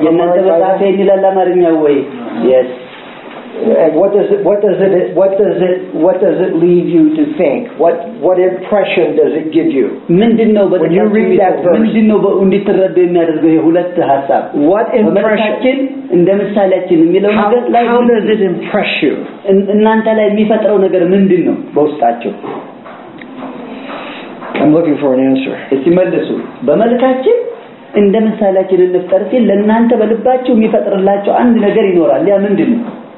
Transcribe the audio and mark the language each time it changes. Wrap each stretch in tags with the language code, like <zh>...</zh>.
<en>And what does it leave you to think? What impression does it give you? When you read that verse, what impression? How does it impress you?</en> <am>እናንተ ላይ የሚፈጠረው ነገር ምንድነው? በውስጣችሁ</am> <en>I'm looking for an answer.</en> <am>እስኪመልሱ በመልካችን እንደምሳሌያችን እንፍጠር ሲል ለእናንተ በልባችሁ የሚፈጠርላችሁ አንድ ነገር ይኖራል ያ ምንድነው?</am>